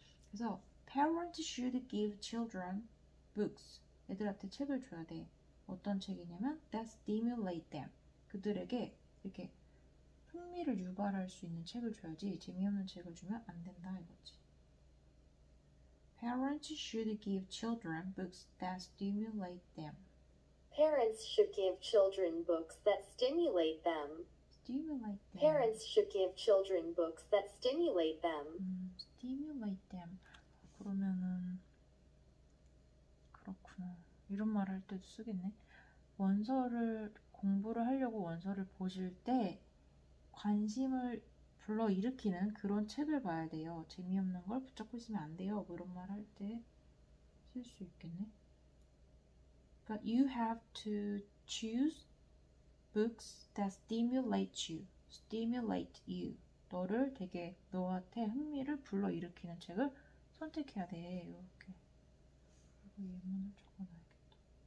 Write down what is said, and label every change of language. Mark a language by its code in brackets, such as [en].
[ko] 그래서 [en] parents should give children books. [ko] 애들한테 책을 줘야 돼. 어떤 책이냐면 [en] that stimulate them. [ko] 그들에게 이렇게 흥미를 유발할 수 있는 책을 줘야지. 재미없는 책을 주면 안 된다 이거지. [en] Parents should give children books that stimulate them. Parents should give children books that stimulate them. Stimulate them. Parents should give children books that stimulate them. Stimulate them. [ko] 그러면은 그렇구나. 이런 말을 할 때도 쓰겠네. 원서를 공부를 하려고 원서를 보실 때 관심을 불러일으키는 그런 책을 봐야 돼요. 재미없는 걸 붙잡고 있으면 안 돼요. 그런 말 할 때 쓸 수 있겠네. [en] But you have to choose books that stimulate you. Stimulate you. [ko] 너를 되게 너한테 흥미를 불러일으키는 책을 선택해야 돼. 이렇게. 그리고 예문을 적어놔야겠다.